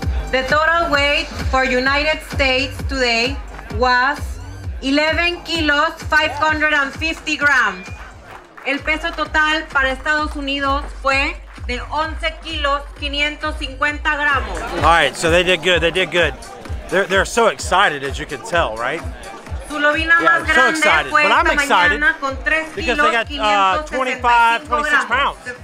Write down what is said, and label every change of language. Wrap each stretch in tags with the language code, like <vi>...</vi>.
<en>The total weight for United States today was 11 kilos 550 grams.</en> <es>El peso total para Estados Unidos fue de 11 kilos 550 gramos.</es> <en>All right, so they did good. They did good. They're so excited, as you can tell, right? Yeah, so excited, but I'm excited because they got 25, 26 pounds.</en>